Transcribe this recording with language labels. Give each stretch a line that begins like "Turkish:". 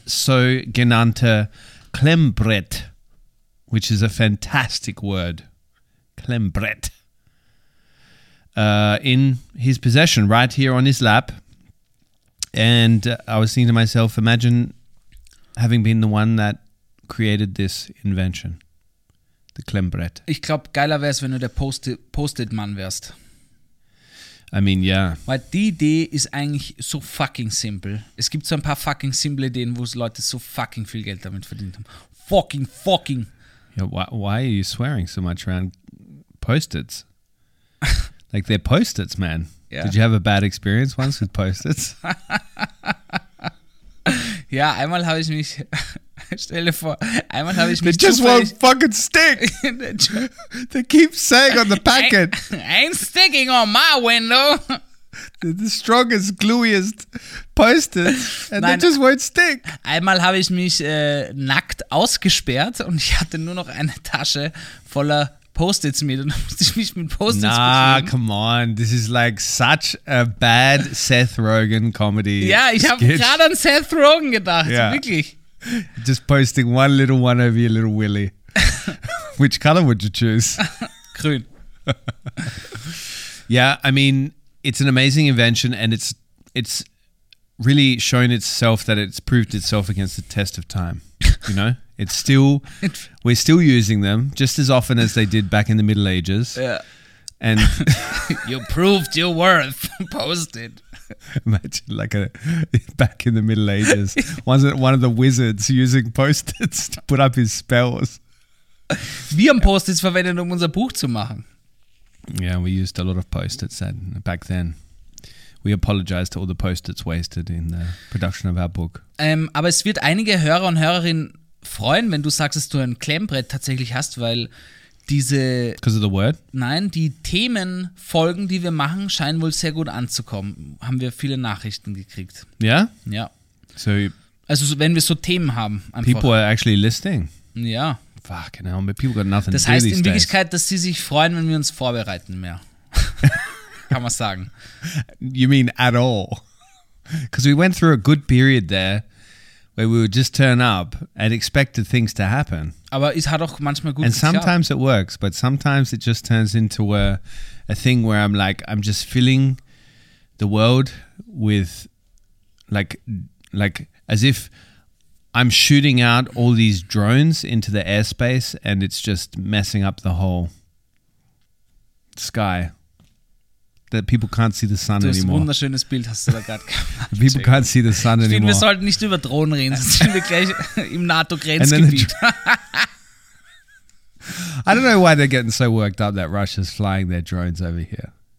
German: so genannte Klemmbrett,
English: which is a fantastic word. Klemmbrett. In his possession, right here on his lap. And I was thinking to myself, imagine having been the one that created this invention. The Klemmbrett.
German: Ich glaube, geiler wär's, wenn du der Post-it-Mann wärst.
English: I mean, yeah.
German: Weil die Idee ist eigentlich so fucking simple. Es gibt so ein paar fucking simple Ideen, wo Leute so fucking viel Geld damit verdient haben.
English: Fucking. Yeah, why are you swearing so much around Post-its? Like they're Post-its, man. Yeah. Did you have a bad experience once with Post-its?
German: Ja, einmal habe ich mich... Stell dir vor, einmal habe ich mich...
English: They just won't fucking stick. They keep saying on the packet. Ain't sticking on my window. The strongest, glueiest Post-its. And
German: Nein,
English: they just won't stick.
German: Einmal habe ich mich nackt ausgesperrt und ich hatte nur noch eine Tasche voller... Post-its mit und dann musste ich mich mit Post-its beschreiben.
English: Come on. This is like such a bad Seth Rogen comedy.
German: Ja, ich habe gerade an Seth Rogen gedacht.
English: Yeah.
German: Wirklich.
English: Just posting one little one over your little willy. Which color would you choose?
German: Grün.
English: Yeah, I mean, it's an amazing invention and it's really shown itself that it's proved itself against the test of time. You know? We're still using them just as often as they did back in the Middle Ages. Yeah. And you proved your worth. Posted. Imagine like back in the Middle Ages. Wasn't one of the wizards using Post-its to put up his spells?
German: Wir haben Post-its verwendet, um unser Buch zu machen.
English: Yeah, we used a lot of Post-its back then. We apologize to all the Post-its wasted in the production of our book.
German: Aber es wird einige Hörer und Hörerinnen freuen, wenn du sagst, dass du ein Klemmbrett tatsächlich hast, weil diese...
English: Because of the word?
German: Nein, die Themenfolgen, die wir machen, scheinen wohl sehr gut anzukommen. Haben wir viele Nachrichten gekriegt. Ja? Ja. So, Also so, wenn wir so Themen haben. Einfach.
English: People are actually listening.
German: Ja.
English: Fucking hell, but people got nothing to do these days.
German: Das heißt in Wirklichkeit, dass sie sich freuen, wenn wir uns vorbereiten mehr. Kann man sagen.
English: You mean at all? Because we went through a good period there, where we would just turn up and expected things to happen.
German: Aber es hat auch manchmal gut and geklappt.
English: Sometimes it works, but sometimes it just turns into a thing where I'm like, I'm just filling the world with like as if I'm shooting out all these drones into the airspace and it's just messing up the whole sky. That people can't see the sun anymore.
German: Du hast ein wunderschönes Bild, hast du da gerade gemacht.
English: People can't see the sun anymore.
German: Stimmt, wir sollten nicht über Drohnen reden, sonst sind wir gleich im NATO-Grenzgebiet.
English: I don't know why they're getting so worked up that Russia's flying their drones over here.